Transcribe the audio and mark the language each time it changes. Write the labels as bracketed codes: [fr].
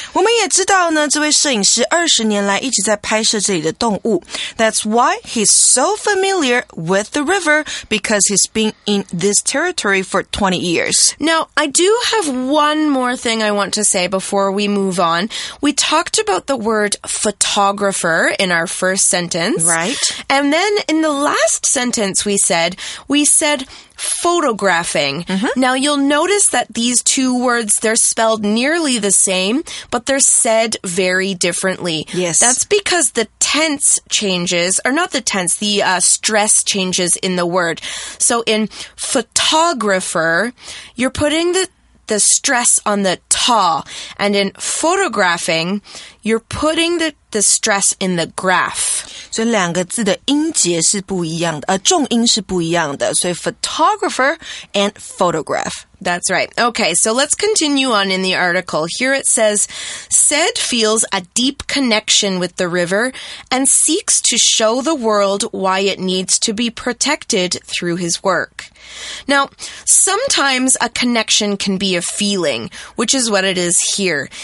[zh] 我们也知道呢，这位摄影师二十年来一直在拍摄这里的动物。 [en] That's why he's so familiar with the river because he's been in this territory for 20 years. Now, I do have one more thing I want to say before we move on. We talked about the word photographer in our first sentence. Right. And then in the last sentence we said photographing. Mm-hmm. Now you'll notice that these two words, they're spelled nearly the same, but they're said very differently. Yes. That's because the tense changes, or not the tense, the stress changes in the word. So in photographer, you're putting the stress on the ta, and in photographing, you're putting the stress in the graph. [zh] 所以两个字的音节是不一样的，重音是不一样的。所以 [en] photographer and photograph. That's right. Okay, so let's continue on in the article. Here it says, Sed feels a deep connection with the river and seeks to show the world why it needs to be protected through his work. Now, sometimes a connection can be a feeling, which is what it is here.